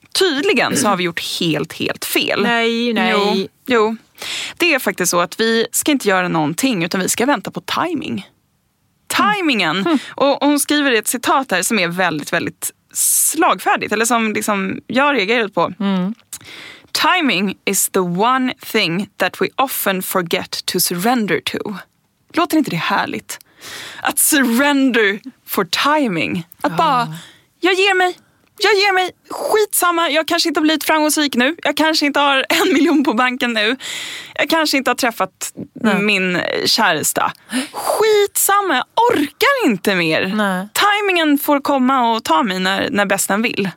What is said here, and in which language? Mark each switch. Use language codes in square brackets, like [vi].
[sv] Tydligen så har vi gjort helt, helt fel. Nej, nej. Jo, det är faktiskt så att vi ska inte göra någonting, utan vi ska vänta på timing. Timingen! Och hon skriver ett citat här som är väldigt, väldigt slagfärdigt. Eller som liksom jag reagerar på. Mm. [en] Timing is the one thing that we often forget to surrender to. [sv] Låter inte det härligt? Att [en] surrender for timing. [sv] Att bara, jag ger mig, skitsamma. Jag kanske inte har blivit framgångsrik nu. Jag kanske inte har 1 miljon på banken nu. Jag kanske inte har träffat min käresta. Skitsamma, jag orkar inte mer. Nej. Timingen får komma och ta mig när bäst den vill.